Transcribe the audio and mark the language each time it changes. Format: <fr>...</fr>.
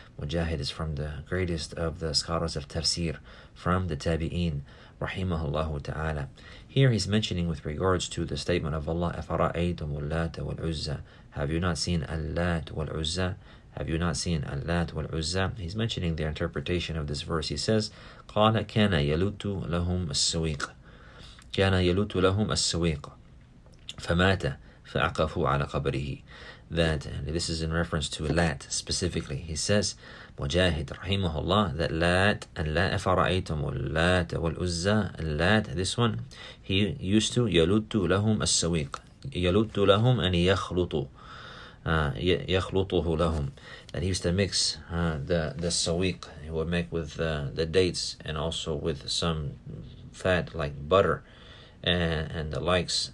<en>Mujahid is from the greatest of the scholars of tafsir, from the tabi'in, rahimahullahu ta'ala. Here he's mentioning with regards to the statement of Allah,</en> <ar>أَفَرَأَيْتُمُ اللَّاتَ وَالْعُزَّى.</ar> <en>Have you not seen Al-Lat wal-Uzza? Have you not seen Al-Lat wal-Uzza? He's mentioning the interpretation of this verse. He says,</en> <ar>قَالَ كَانَ يَلُوتُ لَهُمْ السَّوِيقَ كَانَ يَلُوتُ لَهُمْ السَّوِيقَ فَمَاتَ فَأَقَفُوا عَلَى قَبْرِهِ.</ar> <en>That, this is in reference to Lat specifically. He says, Mujahid rahimahullah, that Lat, Allah, afara'aytum Lat wal-Uzza, Lat, this one, he used to,</en> <ar>يَلُوتُ لَهُمْ السَّوِيقَ يَلُوتُ لَهُمْ أَنِ يَخْلُطُ يَخْلُطُهُ لَهُمْ,</ar> <en>that he used to mix the sawiq, he would make with the dates and also with some fat like butter and the likes.</en>